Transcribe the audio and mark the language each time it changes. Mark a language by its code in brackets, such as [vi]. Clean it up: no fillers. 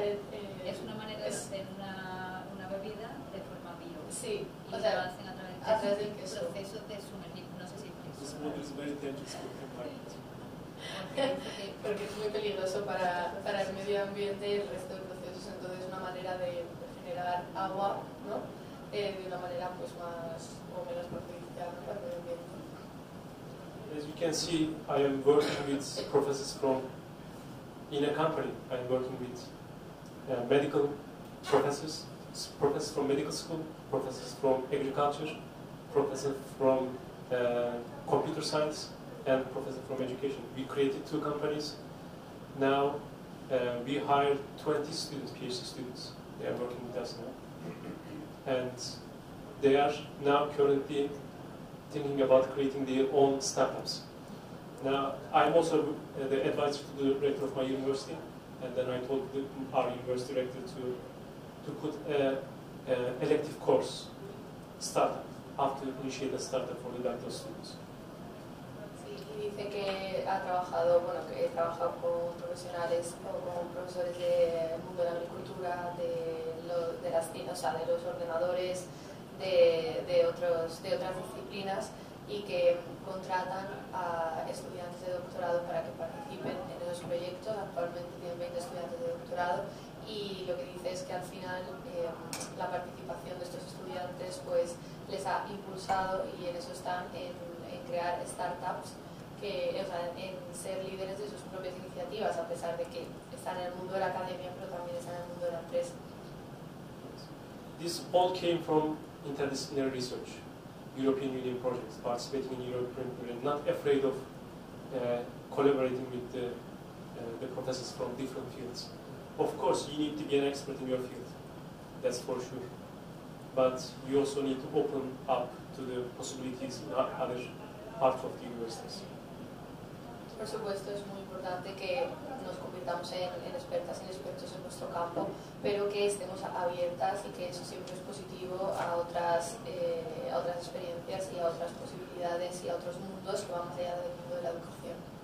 [es] es una manera de hacer una bebida de forma bio. Sí, y o sea, lo hacen a través del queso. Proceso de sumergir. No sé si es queso. [en] This water is very dangerous for the environment. [es] Porque es muy peligroso para el medio ambiente y el resto del proceso. Entonces, una manera de generar agua, ¿no? De una manera pues, más o menos perjudicial para el medio ambiente. [en] As you can see, I am working with professors from in a company. I am working with medical professors, professors from medical school, professors from agriculture, professors from computer science, and professors from education. We created two companies. Now we hired 20 students, PhD students. They are working with us now, and they are now currently thinking about creating their own startups. Now, I'm also the advisor to the rector of my university, and then I told our university rector to put an elective course startup after initiate a startup for the doctoral students. [es] Sí, y dice que ha trabajado, bueno, que he trabajado con profesionales o con profesores del mundo de la agricultura, de los ordenadores, de otras disciplinas y que contratan a estudiantes de doctorado para que participen en esos proyectos. Actualmente tienen 20 estudiantes de doctorado y lo que dice es que al final la participación de estos estudiantes pues les ha impulsado y en eso están en crear startups, que, o sea, en ser líderes de sus propias iniciativas a pesar de que están en el mundo de la academia pero también están en el mundo de la empresa. [en] This all came from interdisciplinary research, European Union projects, participating in European Union, not afraid of collaborating with the professors from different fields. Of course, you need to be an expert in your field, that's for sure. But you also need to open up to the possibilities in other parts of the universities. [es] Por supuesto, es muy importante que nos convirtamos en expertas y expertos en nuestro campo, pero que estemos abiertas y que eso siempre es positivo a otras experiencias y a otras posibilidades y a otros mundos que van más allá del mundo de la educación.